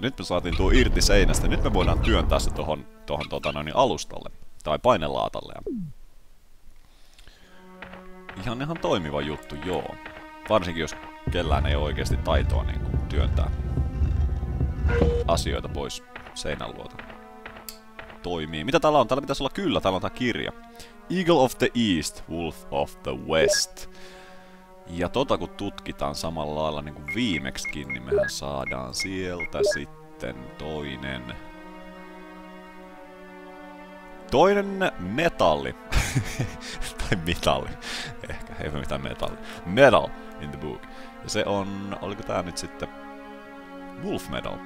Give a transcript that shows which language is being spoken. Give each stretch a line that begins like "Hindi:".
Finnish: Nyt me saatiin tuo irti seinästä. Nyt me voidaan työntää se tohon alustalle. Tai painelaatalle. Ihan toimiva juttu, joo. Varsinkin jos kellään ei ole oikeasti taitoa niin kuin työntää asioita pois seinän luota. Toimii. Mitä täällä on? Täällä pitäisi olla kyllä. Täällä on tää kirja.
English: Eagle of the East, Wolf of the West.
Finnish: Ja tota kun tutkitaan samalla lailla niin kuin viimekskin, niin mehän saadaan sieltä sitten toinen... Toinen metalli. Tai metalli. Ehkä, ei ole mitään metalli.
English: Metal in the book.
Finnish: Ja se on, oliko tää nyt sitten... Wolf medal.